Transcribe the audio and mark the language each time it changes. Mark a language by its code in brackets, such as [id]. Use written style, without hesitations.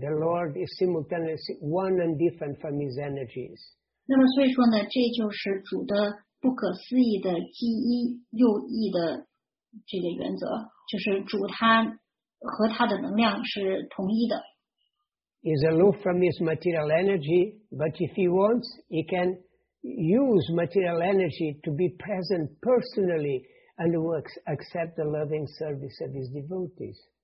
[en] The Lord is simultaneously one and different from His energies. [zh] 那么所以说呢，这就是主的不可思议的既一又一的这个原则，就是主他和他的能量是同一的。 [en] He's aloof from His material energy, but if He wants, He can use material energy to be present personally and works accept the loving service of His devotees.